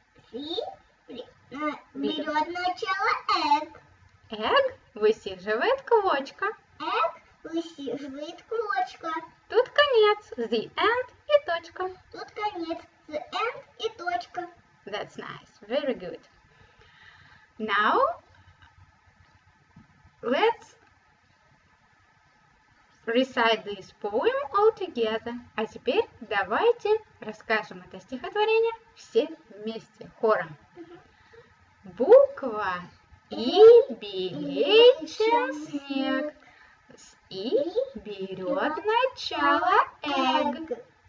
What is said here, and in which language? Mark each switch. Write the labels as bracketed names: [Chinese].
[Russian] С И берет начало egg. Egg высиживает клочка. Egg высиживает клочка. Тут конец. [English] The end [Russian] и точка. Тут конец. [English] The end [Russian] и точка. [English] That's nice. Very good. Now, let's recite this poem all together. [Russian] А теперь давайте расскажем это стихотворение все вместе, хором. Буква И белее, чем снег. С И берет начало egg.